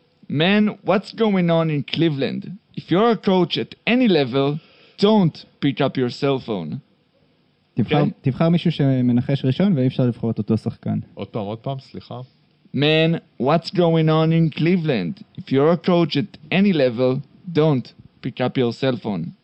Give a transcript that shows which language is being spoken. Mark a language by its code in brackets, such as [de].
[en] Man, what's going on in Cleveland? If you're a coach at any level, don't pick up your cell phone. [he] תבחר מישהו שמנחש ראשון, ואי אפשר לבחור את אותו שחקן. עוד פעם, סליחה. [en] Man, what's going on in Cleveland? If you're a coach at any level, don't pick up your cell phone.